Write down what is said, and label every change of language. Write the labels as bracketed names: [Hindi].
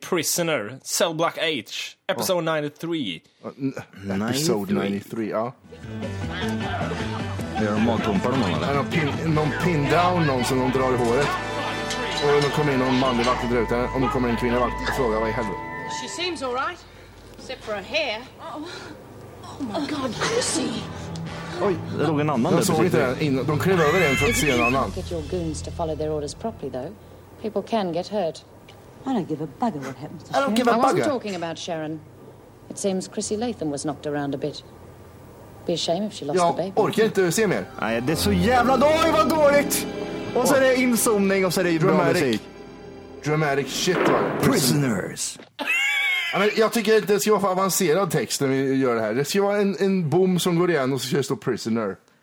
[English] Prisoner, Cell Block H, episode 93. [Swedish] Episode 93, ja. Är det någon magtumpar någon eller? Någon pin down, någon som de drar i håret. Och då kommer in någon manlig vakt och drar ut henne. Och då kommer en kvinna vakt och frågar, vad i helvete? [English] She seems all right, except for her hair. Oh my god, Chrissy! [Swedish] Oj, det låg en annan. Jag såg inte den. De klev över en för att se en annan. [English] Get your goons to follow their orders properly though. People can get hurt. I don't give a bugger what happens. I don't give a bugger. I wasn't talking about Sharon. It seems Chrissy Latham was knocked around a bit. Be a shame if she lost the baby. [Swedish] Jag orkar inte se mer. Nej, det är så jävla dåligt. Vad dåligt. Och så är det insomning och så är det dramatic. [English] Dramatic shit, va? Prisoners. [Swedish] Jag tycker att det ska vara för avancerad text när vi gör det här. Det ska vara en boom som går igen och så ska det stå prisoner.